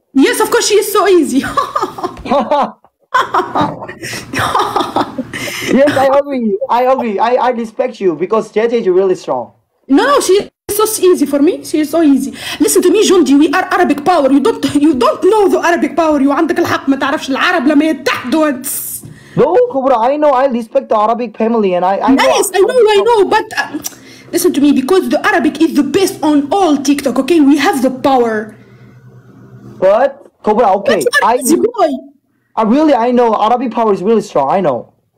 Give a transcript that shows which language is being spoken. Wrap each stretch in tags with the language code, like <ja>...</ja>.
<en>Yes, of course, she is so easy. Yes, I agree. I respect you because JJ is really strong. No, she is so easy for me. She is so easy. Listen to me, Jundi, we are Arabic power. You don't know the Arabic power. You</en> <ar>عندك الحق ما تعرفش العرب لما يتحدوا.</ar> <en>No, Cobra, I know, I respect the Arabic family and I know. Yes, I know, but listen to me, because the Arabic is the best on all TikTok, okay? We have the power. But, Cobra, okay. But you are easy boy. I know, Arabic power is really strong, I know.</en>